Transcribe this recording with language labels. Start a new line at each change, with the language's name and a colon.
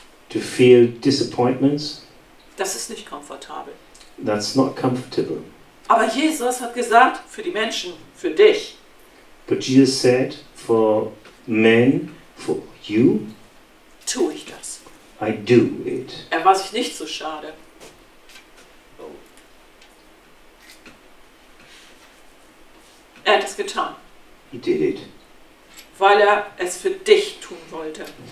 English: To feel disappointments.
German: Das ist nicht komfortabel.
English: That's not comfortable.
German: Aber Jesus hat gesagt, für die Menschen, für dich.
English: But Jesus said, for men, for you.
German: Tue ich das.
English: I do it.
German: Er war sich nicht so schade. Er hat es getan.
English: He did it.
German: Weil er es für dich tun wollte.